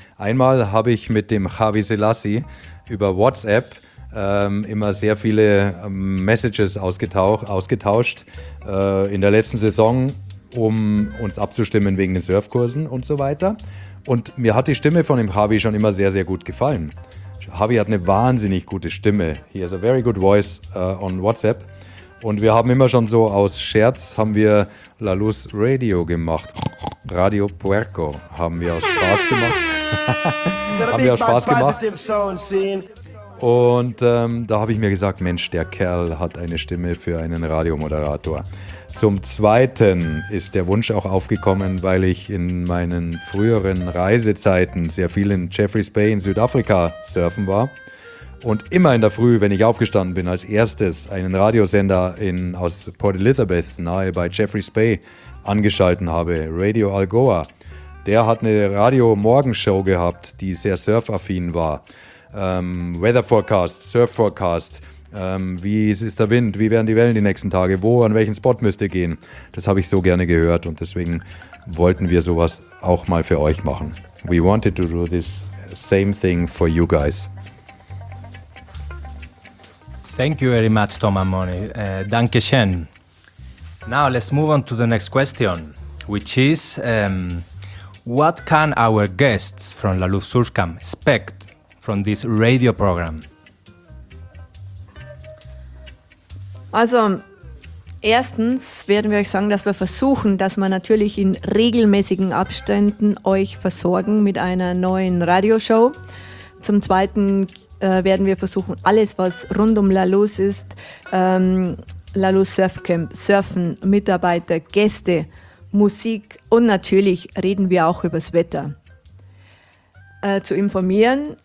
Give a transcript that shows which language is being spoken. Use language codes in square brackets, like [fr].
[de] Einmal habe ich mit dem Javi Selassie über WhatsApp immer sehr viele Messages ausgetauscht in der letzten Saison, um uns abzustimmen wegen den Surfkursen und so weiter. Und mir hat die Stimme von dem Javi schon immer sehr, sehr gut gefallen. Javi hat eine wahnsinnig gute Stimme. [en] He has a very good voice on WhatsApp. [de] Und wir haben immer schon so aus Scherz haben wir La Luz Radio gemacht. Radio Puerco haben wir aus Spaß gemacht. haben wir aus Spaß gemacht. Und da habe ich mir gesagt, Mensch, der Kerl hat eine Stimme für einen Radiomoderator. Zum Zweiten ist der Wunsch auch aufgekommen, weil ich in meinen früheren Reisezeiten sehr viel in Jeffreys Bay in Südafrika surfen war. Und immer in der Früh, wenn ich aufgestanden bin, als erstes einen Radiosender aus Port Elizabeth, nahe bei Jeffreys Bay, angeschalten habe, Radio Algoa. Der hat eine Radio-Morgenshow gehabt, die sehr surfaffin war. [en] Weather Forecast, Surf Forecast, [de] wie ist der Wind, wie werden die Wellen die nächsten Tage, wo, an welchen Spot müsst ihr gehen? Das habe ich so gerne gehört und deswegen wollten wir sowas auch mal für euch machen. [en] We wanted to do this same thing for you guys. Thank you very much, Tom and Moni. [de] Danke schön. [en] Now let's move on to the next question, which is what can our guests from La Luz Surf Camp expect from this radio program? [de] Also, erstens werden wir euch sagen, dass wir versuchen, dass wir natürlich in regelmäßigen Abständen euch versorgen mit einer neuen Radioshow. Zum Zweiten werden wir versuchen, alles, was rund um La Luz ist, La Luz Surfcamp, Surfen, Mitarbeiter, Gäste, Musik und natürlich reden wir auch über das Wetter, zu informieren.